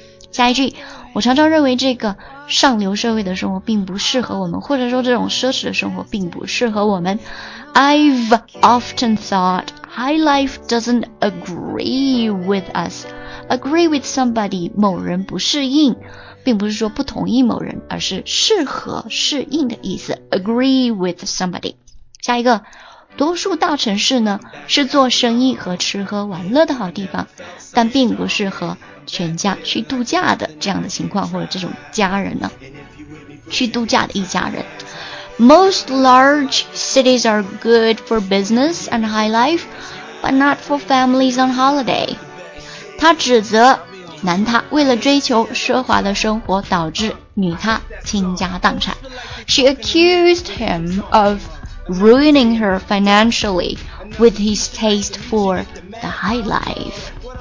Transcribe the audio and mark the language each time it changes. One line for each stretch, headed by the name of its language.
Chinese: 下一句，我常常认为这个上流社会的生活并不适合我们，或者说这种奢侈的生活并不适合我们。
English: I've often thought high life doesn't agree with us. Agree with somebody，
Chinese: 某人不适应，并不是说不同意某人，而是适合适应的意思。
English: Agree with somebody。
Chinese: 下一个，多数大城市呢是做生意和吃喝玩乐的好地方，但并不适合全家去度假的这样的情况，或者这种家人呢去度假的一家人。
English: Most large cities are good for business and high life but not for families on holiday。
Chinese: 他指责男他为了追求奢华的生活导致女他倾家荡产。
English: She accused him of ruining her financially with his taste for the high life。